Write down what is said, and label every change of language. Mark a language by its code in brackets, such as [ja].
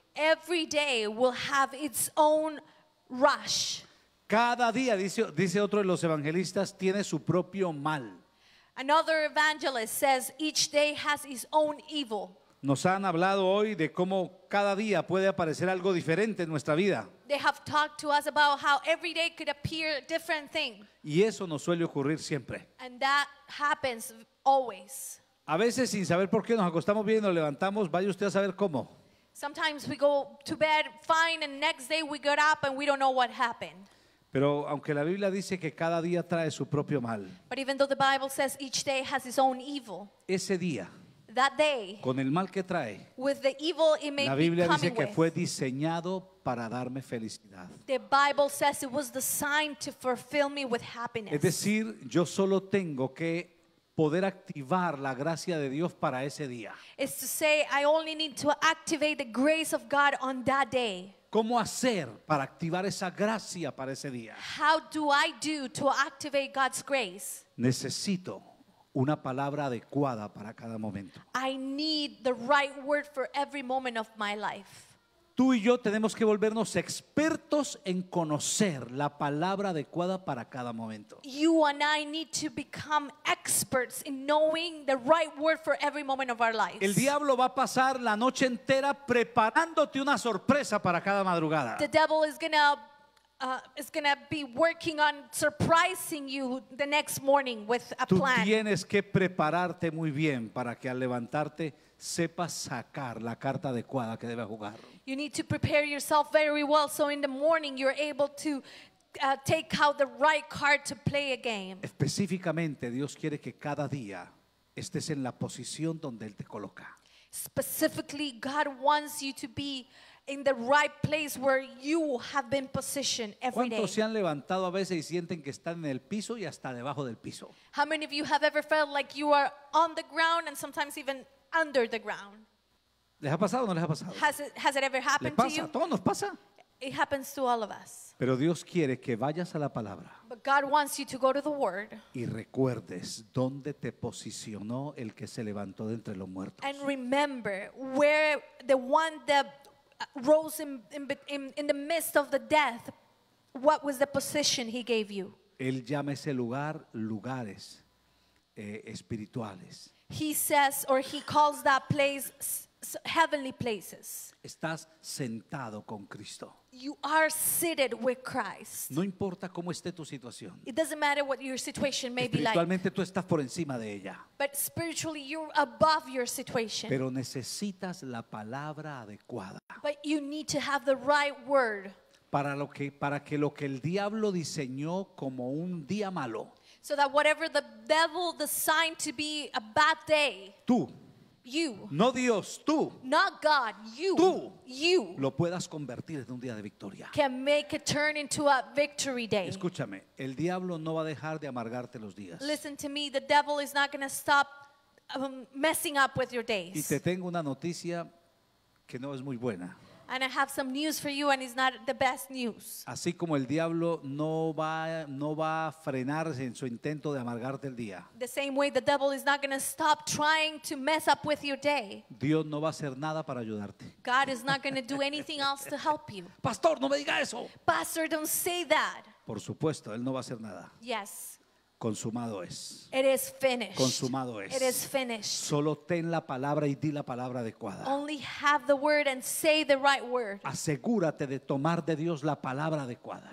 [en] Every day will have its own rush. [es] Cada día, dice otro de los evangelistas, tiene su propio mal. [en] Another evangelist says each day has its own evil. [es] Nos han hablado hoy de cómo cada día puede aparecer algo diferente en nuestra vida. [en] They have talked to us about how every day could appear a different thing. [es] Y eso nos suele ocurrir siempre. [en] And that happens always. [es] A veces sin saber por qué nos acostamos bien y nos levantamos, vaya usted a saber cómo. [en] Sometimes we go to bed fine and next day we get up and we don't know what happened. [es] Pero aunque la Biblia dice que cada día trae su propio mal. [en] But even though the Bible says each day has its own evil. [es] Ese día. [en] That day. [es] Con el mal que trae. [en] With the evil it may [es] la Biblia [en] be [es] dice [en] coming [es] que [en] with. [es] Fue diseñado para darme felicidad. [en] The Bible says it was designed to fulfill me with happiness. [es] Es decir, yo solo tengo que poder activar la gracia de Dios para ese día. [en] It's to say I only need to activate the grace of God on that day. [es] ¿Cómo hacer para activar esa gracia para ese día? [en] How do I do to activate God's grace? [es] Necesito una palabra adecuada para cada momento. [en] I need the right word for every moment of my life. [es] Tú y yo tenemos que volvernos expertos en conocer la palabra adecuada para cada momento. [en] You and I need to become experts in knowing the right word for every moment of our lives. [es] El diablo va a pasar la noche entera preparándote una sorpresa para cada madrugada. [en] The devil is gonna be working on surprising you the next morning with a plan. [es] Tú tienes que prepararte muy bien para que al levantarte sepas sacar la carta adecuada que debes jugar. [en] You need to prepare yourself very well so in the morning you're able to take out the right card to play a game. [es] Específicamente, Dios quiere que cada día estés en la posición donde Él te coloca. [en] Specifically, God wants you to be in the right place where you have been positioned every [es] ¿Cuántos [en] day. [es] ¿Cuántos se han levantado a veces y sienten que están en el piso y hasta debajo del piso? [en] How many of you have ever felt like you are on the ground and sometimes even under the ground? [es] ¿Les ha pasado o no les ha pasado? [en] Has it ever happened [es] pasa, [en] to you? [es] ¿Les pasa? ¿Todo nos pasa? [en] It happens to all of us. [es] Pero Dios quiere que vayas a la palabra. [en] But God wants you to go to the word. [es] Y recuerdes dónde te posicionó el que se levantó de entre los muertos. [en] And remember where the one that rose in the midst of the death, what was the position he gave you? [es] Él llama ese lugar lugares espirituales. [en] He says, or he calls that place heavenly places. [es] Estás sentado con Cristo. [en] You are seated with Christ. [es] No importa cómo esté tu situación. [en] It doesn't matter what your situation may be like. [es] Espiritualmente tú estás por encima de ella. [en] But spiritually you're above your situation. [es] Pero necesitas la palabra adecuada. [en] But you need to have the right word. [es] Para que lo que el diablo diseñó como un día malo. [en] So that whatever the devil designed to be a bad day. [es] Tú. [en] You. [es] No Dios, tú. [en] Not God, you. [es] Tú. [en] You. [es] Lo puedas convertir en un día de victoria. [en] Can make it turn into a victory day. [es] Escúchame, el diablo no va a dejar de amargarte los días. [en] Listen to me, the devil is not going to stop messing up with your days. [es] Y te tengo una noticia que no es muy buena. [en] And I have some news for you and it's not the best news. [es] Así como el diablo no va a frenarse en su intento de amargarte el día. [en] The same way the devil is not going to stop trying to mess up with your day. [es] Dios no va a hacer nada para ayudarte. [en] God is not going to do anything else to help you. [es] Pastor, no me diga eso. [en] Pastor, don't say that. [es] Por supuesto, él no va a hacer nada. [en] Yes. [es] Consumado es. [en] It is finished. [es] Consumado es. [en] It is finished. [es] Solo ten la palabra y di la palabra adecuada. Only have the word and say the right word. Asegúrate de tomar de Dios la palabra adecuada.